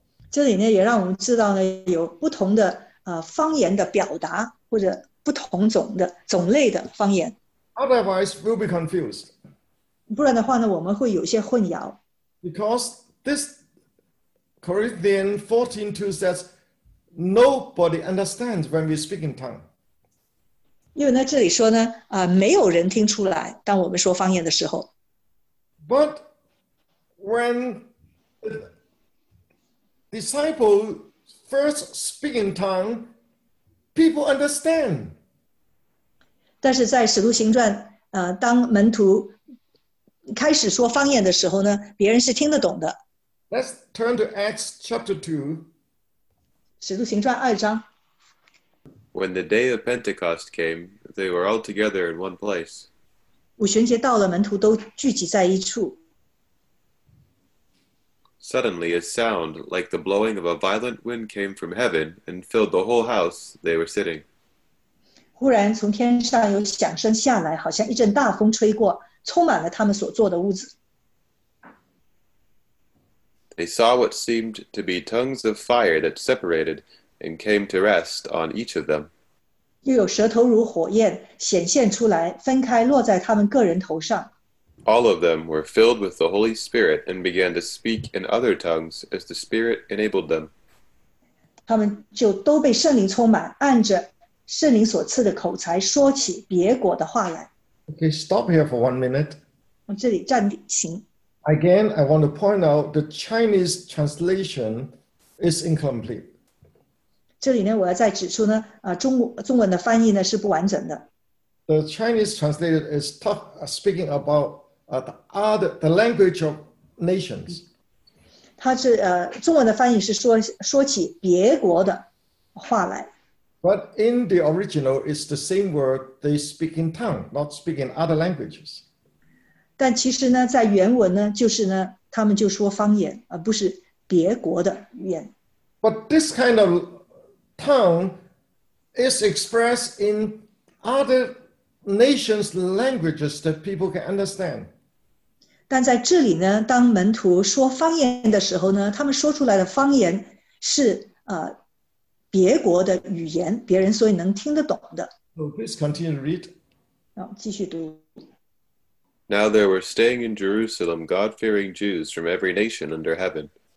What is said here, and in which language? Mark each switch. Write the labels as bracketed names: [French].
[Chinese] 这里呢也让我们知道呢有不同的方言的表达或者不同种的种类的方言。 [English] Otherwise, we'll be confused. [Chinese] 不然的话呢，我们会有些混淆。 [English] Because this Corinthians 14:2 says nobody understands when we speak in tongue. [Chinese] 因为呢，这里说呢，没有人听出来，当我们说方言的时候。 [English] But when the disciple first speak in tongue, people understand. [Chinese] 但是在使徒行传，当门徒开始说方言的时候呢，别人是听得懂的。 [English] Let's turn to Acts chapter 2. [Chinese] 使徒行传二章。 [English] When the day of Pentecost came, they were all together in one place. [Chinese] 五旬节到了，门徒都聚集在一处。 [English] Suddenly a sound like the blowing of a violent wind came from heaven and filled the whole house they were sitting. [Chinese] 忽然从天上有响声下来，好像一阵大风吹过，充满了他们所坐的屋子。 [English] They saw what seemed to be tongues of fire that separated and came to rest on each of them. [Chinese] 又有舌头如火焰显现出来，分开落在他们个人头上。 [English] All of them were filled with the Holy Spirit and began to speak in other tongues as the Spirit enabled them. [Chinese] 他们就都被圣灵充满，按着圣灵所赐的口才说起别国的话来。 [English] Okay, stop here for 1 minute. [Chinese] 我这里暂停。 [English] Again, I want to point out the Chinese translation is incomplete. [Chinese] 这里呢，我要再指出呢，中文的翻译呢是不完整的。 [English] The Chinese translator is speaking about the language of nations. [Chinese] 他是中文的翻译是说起别国的话来。 [English] But in the original, it's the same word they speak in tongue, not speak in other languages. [Chinese] 但其实呢，在原文呢，就是呢，他们就说方言，而不是别国的语言。 [English] But this kind of tongue is expressed in other nations' languages that people can understand. [Chinese] 但在这里呢，当门徒说方言的时候呢，他们说出来的方言是别国的语言，别人所以能听得懂的。 [English] So please continue to read. [Chinese] 继续读。 [English] Now there were staying in Jerusalem God-fearing Jews from every nation under heaven.